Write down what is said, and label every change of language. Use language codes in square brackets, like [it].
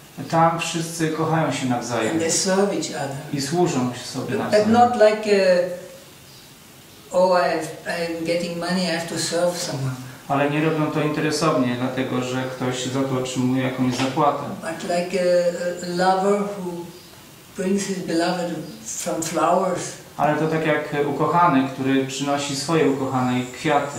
[pl] Tam wszyscy kochają się nawzajem. [en] And they serve each other. [pl] I służą sobie nawzajem. [en] But not like I'm getting money, I have to serve someone. [pl] Ale nie robią to interesownie, dlatego że ktoś za to otrzymuje jakąś zapłatę. [en] But like a lover who brings his beloved some flowers. [pl] Ale to tak jak ukochany, który przynosi swoje ukochanej kwiaty.